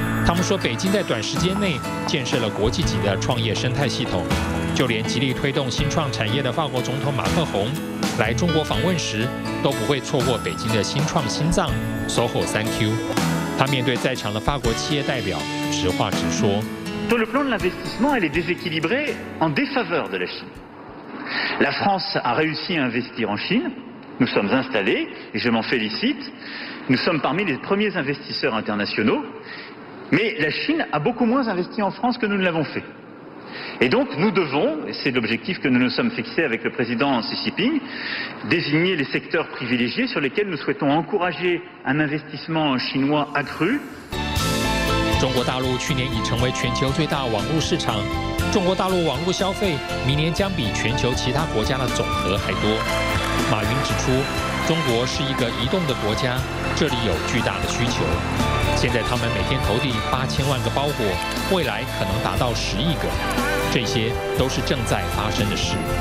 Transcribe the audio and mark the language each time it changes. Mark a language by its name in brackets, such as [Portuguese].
[Chinese] 他们说北京在短时间内建设了国际级的创业生态系统，就连极力推动新创产业的法国总统马克宏来中国访问时都不会错过北京的新创心脏 SOHO 3Q。他面对在场的法国企业代表直话直说， [French] sur le plan de l'investissement, elle est déséquilibrée en défaveur de la Chine. La France a réussi à investir en Chine. Nous sommes installés, et je m'en félicite. Nous sommes parmi les premiers investisseurs internationaux. Mais la Chine a beaucoup moins investi en France que nous ne l'avons fait. Et donc nous devons, et c'est l'objectif que nous nous sommes fixés avec le président Xi Jinping, désigner les secteurs privilégiés sur lesquels nous souhaitons encourager un investissement chinois accru. [Chinese] 中国大陆去年已成为全球最大网络市场，中国大陆网络消费明年将比全球其他国家的总和还多。马云指出，中国是一个移动的国家，这里有巨大的需求。现在他们每天投递8000万个包裹，未来可能达到10亿个，这些都是正在发生的事。